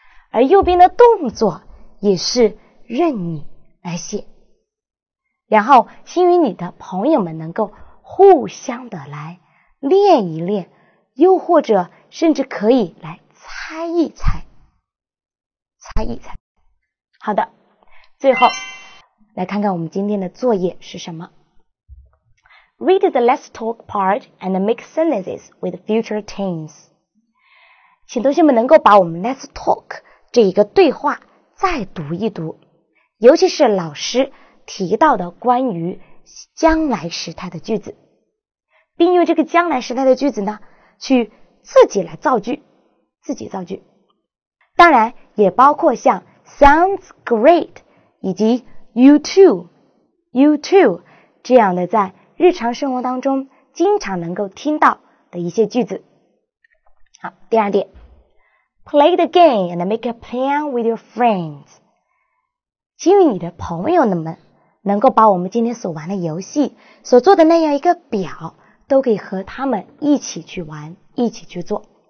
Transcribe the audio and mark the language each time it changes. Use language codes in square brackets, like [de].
[zh] 而右边的动作也是任你来写，然后先与你的朋友们能够互相的来练一练，又或者甚至可以来猜一猜，猜一猜。好的，最后来看看我们今天的作业是什么。 [en] Read the Let's Talk part and make sentences with future tense. [zh] 请同学们能够把我们 Let's Talk 这一个对话再读一读，尤其是老师提到的关于将来时态的句子，并用这个将来时态的句子呢，去自己来造句，自己造句。当然也包括像 [en] Sounds great [zh] 以及 [en] you too [zh] 这样的在日常生活当中经常能够听到的一些句子。好，第二点， [en] Play the game and make a plan with your friends. [zh] 请与你的朋友们能够把我们今天所玩的游戏所做的那样一个表都可以和他们一起去玩，一起去做。